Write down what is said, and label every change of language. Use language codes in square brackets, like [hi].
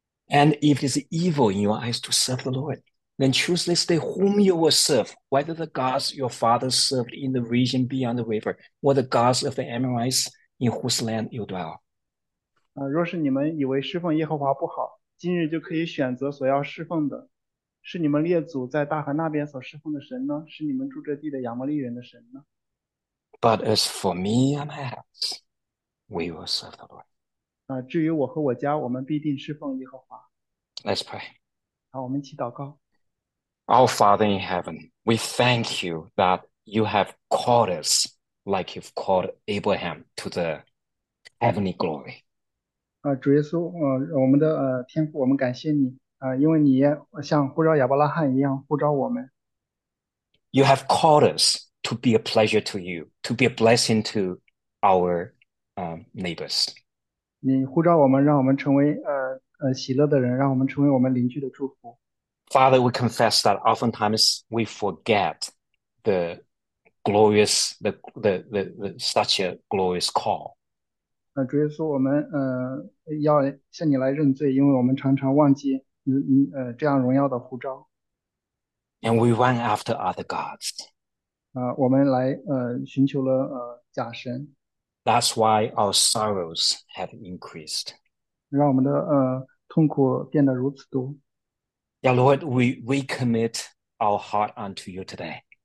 [en] And if it is evil in your eyes to serve the Lord, then choose this day whom you will serve, whether the gods your fathers served in the region beyond the river, or the gods of the Amorites in whose land you dwell. [zh] 若是你们以为侍奉耶和华不好，今日就可以选择所要侍奉的，是你们列祖在大河那边所侍奉的神呢？是你们住这地的亚摩利人的神呢？ [en] But as for me and my house, we will serve the Lord. [zh] 至于我和我家，我们必定侍奉耶和华。 [en] Let's pray. [zh] 好，我们一起祷告。 [en] Our Father in heaven, we thank you that you have called us like you've called Abraham to the heavenly glory. [zh] 主耶稣，我们的天父，我们感谢你，因为你也像呼召亚伯拉罕一样呼召我们。 [en] You have called us to be a pleasure to you, to be a blessing to our neighbors. [zh] 你呼召我们，让我们成为喜乐的人，让我们成为我们邻居的祝福。 [en] Father, we confess that oftentimes we forget the glorious, such a glorious call. [zh] 主耶稣，我们要向你来认罪，因为我们常常忘记这样荣耀的呼召。 [en] And we run after other gods. [zh] 我们来寻求了假神。 [en] That's why our sorrows have increased. [zh] 让我们的痛苦变得如此多。 [en] Yeah, Lord, we recommit our heart unto you today.